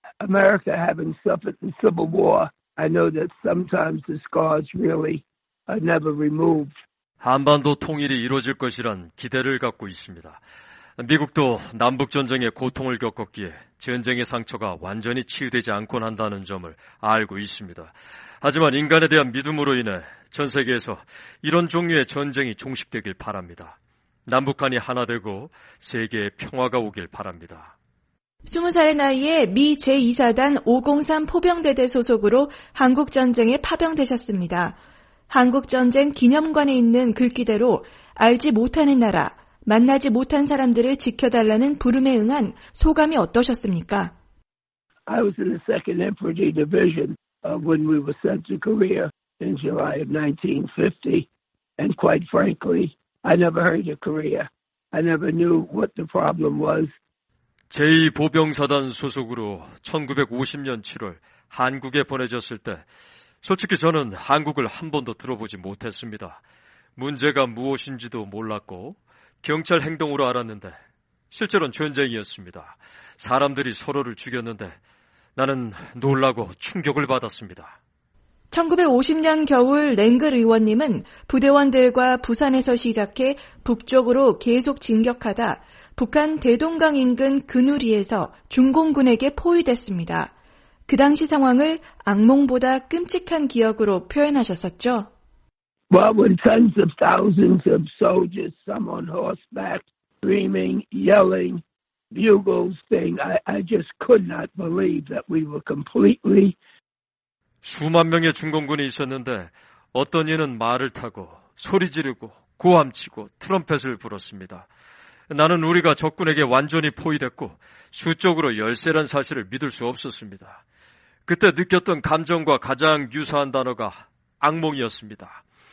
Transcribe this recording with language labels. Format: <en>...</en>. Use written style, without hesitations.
<en>America having suffered in civil war, I know that sometimes the scars really are never removed.</en> <ko>한반도 통일이 이루어질 것이란 기대를 갖고 있습니다. 미국도 남북전쟁의 고통을 겪었기에 전쟁의 상처가 완전히 치유되지 않곤 한다는 점을 알고 있습니다. 하지만 인간에 대한 믿음으로 인해 전 세계에서 이런 종류의 전쟁이 종식되길 바랍니다. 남북한이 하나되고 세계에 평화가 오길 바랍니다. 20살의 나이에 미 제2사단 503 포병대대 소속으로 한국전쟁에 파병되셨습니다. 한국전쟁 기념관에 있는 글귀대로 알지 못하는 나라, 만나지 못한 사람들을 지켜달라는 부름에 응한 소감이 어떠셨습니까?</ko> <en>I was in the 2nd Infantry Division when we were sent to Korea in July of 1950. And quite frankly, I never heard of Korea. I never knew what the problem was.</en> <ko>제2보병사단 소속으로 1950년 7월 한국에 보내졌을 때 솔직히 저는 한국을 한 번도 들어보지 못했습니다. 문제가 무엇인지도 몰랐고 경찰 행동으로 알았는데 실제로는 전쟁이었습니다. 사람들이 서로를 죽였는데 나는 놀라고 충격을 받았습니다. 1950년 겨울 랭글 의원님은 부대원들과 부산에서 시작해 북쪽으로 계속 진격하다 북한 대동강 인근 근우리에서 중공군에게 포위됐습니다. 그 당시 상황을 악몽보다 끔찍한 기억으로 표현하셨었죠.</ko> <en>Well, when tens of thousands of soldiers, some on horseback, screaming, yelling, bugles thing, I just could not believe that we were completely...</en> <ko>수만 명의 중공군이 있었는데 어떤 이는 말을 타고 소리 지르고 고함치고 트럼펫을 불었습니다. 나는 우리가 적군에게 완전히 포위됐고 수적으로 열세란 사실을 믿을 수 없었습니다. 그때 느꼈던 감정과 가장 유사한 단어가 악몽이었습니다.</ko>